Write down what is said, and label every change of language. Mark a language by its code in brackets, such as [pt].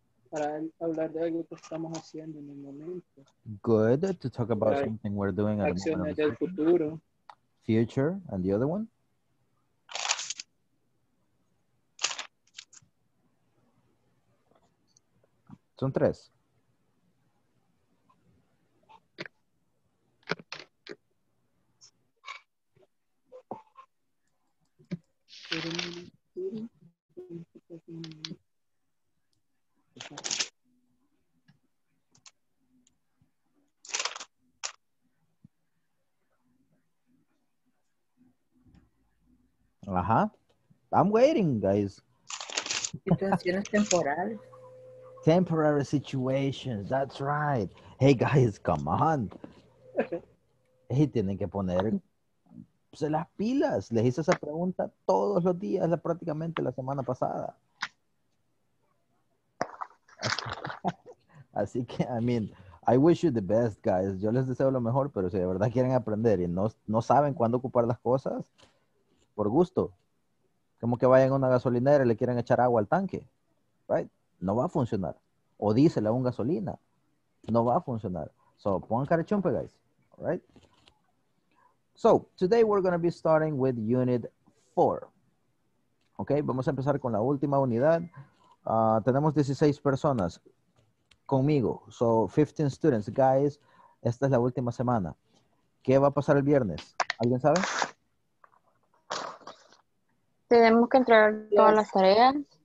[es] Para hablar de algo que estamos haciendo en el momento. [en] Good to talk about like something we're doing. [es] Acciones del futuro. [en] Future and the other one. [es] Son tres. [en] Ajá. I'm waiting, guys. [es] Situaciones temporales. [en] Temporary situations, that's right. Hey, guys, come on. [es] Y tienen que poner las pilas. Les hice esa pregunta todos los días, prácticamente la semana pasada. Así que, [en] I mean, I wish you the best, guys. [es] Yo les deseo lo mejor, pero si de verdad quieren aprender y no saben cuándo ocupar las cosas, por gusto. Como que vayan a una gasolinera y le quieren echar agua al tanque. [en] Right? [es] No va a funcionar. O diésel a un gasolina. No va a funcionar. [en] So, [es] pongan cara chumpe, [en] guys. All right? So, today we're going to be starting with Unit 4. [es] Okay, vamos a empezar con la última unidad. Tenemos 16 personas conmigo. [en] So, 15 students. [es] Guys, esta es la última semana. ¿Qué va a pasar el viernes? ¿Alguien sabe? Tenemos que entregar todas las tareas.